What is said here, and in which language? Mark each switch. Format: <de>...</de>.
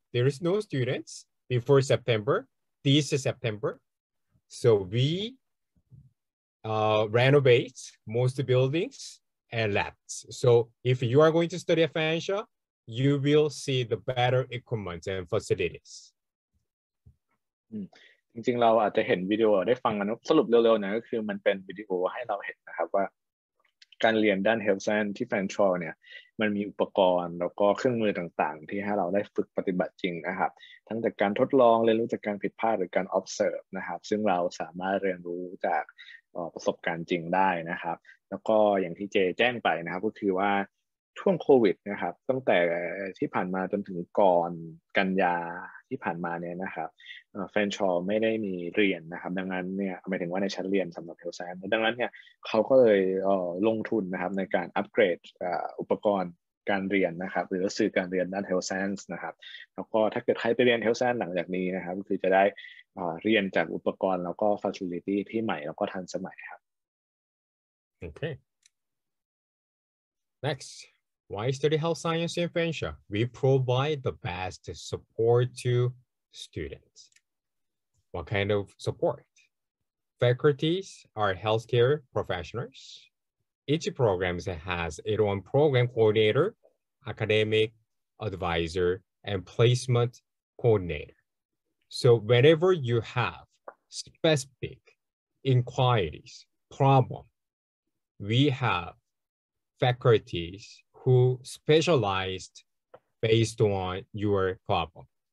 <en>There is no students before September, this September. So we renovate most buildings and labs. So if you are going to study at Fanshawe, you will see the better equipment and facilities.</en> <th>จริงๆเราอาจจะเห็นวิดีโอได้ฟังกันสรุปเร็วๆหน่อยก็คือมันเป็นวิดีโอให้เราเห็นนะครับว่าการเรียนด้าน Health Science ที่ Fanshawe เนี่ยมันมีอุปกรณ์แล้วก็เครื่องมือต่างๆที่ให้เราได้ฝึกปฏิบัติจริงนะครับทั้งจากการทดลองเรียนรู้จากการผิดพลาดหรือการ observe นะครับซึ่งเราสามารถเรียนรู้จาก ประสบการณ์จริงได้นะครับแล้วก็อย่างที่เจแจ้งไปนะครับก็คือว่าช่วงโควิดนะครับตั้งแต่ที่ผ่านมาจนถึงก่อนกันยาที่ผ่านมาเนี่ยนะครับFanshawe ไม่ได้มีเรียนนะครับดังนั้นเนี่ยหมายถึงว่าในชั้นเรียนสำหรับ Health Science ดังนั้นเนี่ยเขาก็เลย ลงทุนนะครับในการอัปเกรดอุปกรณ์การเรียนนะครับหรือสื่อการเรียนด้าน Health Science นะครับแล้วก็ถ้าเกิดใครไปเรียน Health Science หลังจากนี้นะครับก็คือจะได้เรียนจากอุปกรณ์แล้วก็ facility ที่ใหม่แล้วก็ทันสมัยครับ</th> <en>โอเค next why study health science in Fanshawe we provide the best support to students what kind of support faculties are healthcare professionals each program has its own program coordinator academic advisor and placement coordinator so whenever you have specific inquiries problem we haveFaculties who specialized based on your problem.</en>